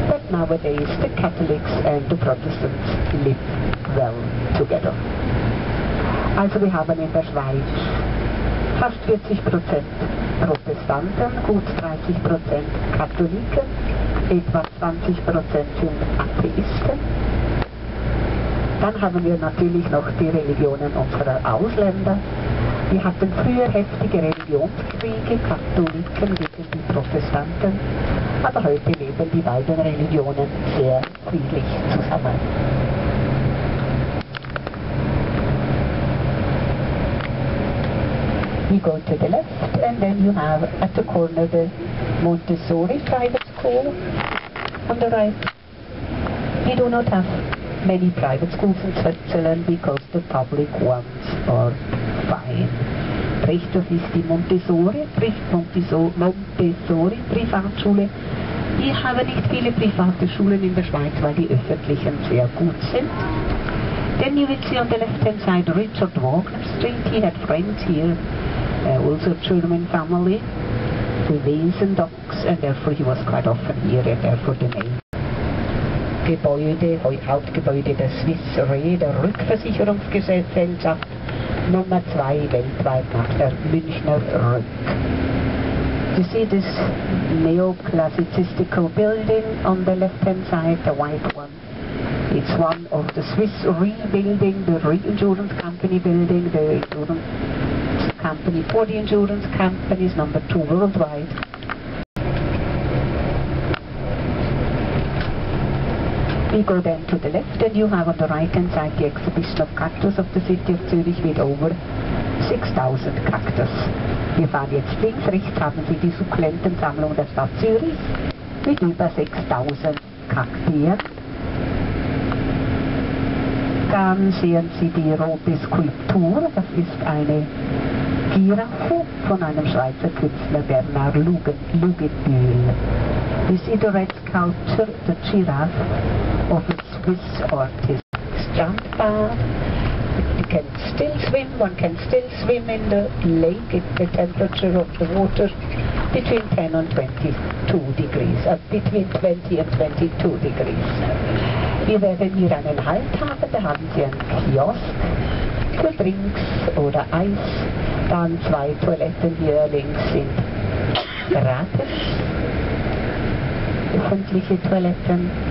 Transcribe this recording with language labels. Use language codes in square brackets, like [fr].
[en] Nowadays, the Catholics and the Protestants live well together. [de] Also wir haben in der Schweiz fast 40% Protestanten, gut 30% Katholiken, etwa 20% sind Atheisten. Dann haben wir natürlich noch die Religionen unserer Ausländer. Wir hatten früher heftige Religionskriege, Katholiken gegen die Protestanten. Aber heute leben die beiden Religionen sehr friedlich zusammen. [en] You go to the left and then you have at the corner the Montessori private school on the right. We do not have many private schools in Switzerland because the public ones are fine. [de] Richter ist die Montessori-Privatschule. Ich habe nicht viele private Schulen in der Schweiz, weil die öffentlichen sehr gut sind. [en] Then you will see on the left-hand side Richard Wagner Street. He had friends here, also a German family, the Wesendocks, and therefore he was quite often here, and therefore the name. [de] Gebäude, Hauptgebäude der Swiss Re, der Rückversicherungsgesellschaft, Nummer 2 weltweit nach der Münchner Rück. [en] You see this neoclassicistical building on the left-hand side, the white one. It's one of the Swiss Re building, the Re insurance company building, the insurance company for the insurance companies, number 2 worldwide. We go then to the left and you have on the right-hand side the exhibition of cactus of the city of Zurich with over 6,000 cactus. [de] Wir fahren jetzt links, rechts haben Sie die Sukkulentensammlung der Stadt Zürich mit über 6,000 Kaktien. Dann sehen Sie die rote Skulptur, das ist eine Giraffe von einem Schweizer Künstler, Bernard Lugendühl. [en] You see the red sculpture, the giraffe of a Swiss artist. It's jump bar. You can still swim, one can still swim in the lake at the temperature of the water between 10 and 22 degrees, between 20 and 22 degrees. [de] Wir werden hier einen Halt haben, da haben Sie einen Kiosk für Drinks oder Eis. Dann 2 Toiletten hier links sind gratis, öffentliche Toiletten.